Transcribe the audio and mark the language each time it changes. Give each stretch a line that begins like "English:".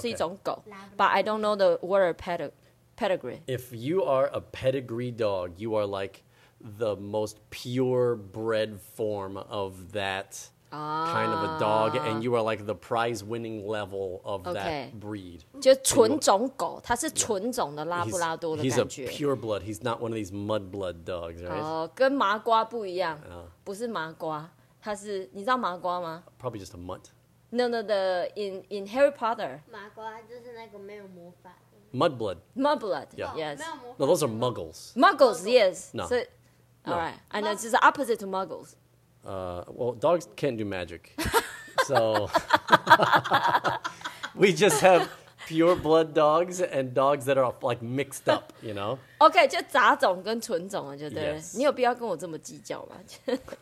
Chinese: 是一种狗
English: But I don't know the word pedigree. pedigree. If you are a pedigree dog, you are like the most purebred form of that kind of a dog, and you are like the prize-winning level of that breed.
Chinese: 就纯种狗，它是纯种的拉布拉多的感觉。
English: He's a pure blood. He's not one of these mud blood dogs, right?
Chinese: 跟麻瓜不一样，不是麻瓜，它是你知道麻瓜吗
English: ？Probably just a mutt. No. In Harry Potter,
Chinese: 麻瓜就是那个没有魔法。
English: Mud blood. Yeah. Yes. No, those are muggles. Muggles. Yes. No. So, all right. And that's just the opposite to muggles. Well, dogs can't do magic. So, we just have pure blood dogs and dogs that are like mixed up, you know?
Chinese: Okay, 就杂种跟纯种了，就对了。
English: Yes.
Chinese: 你有必要跟我这么计较吗？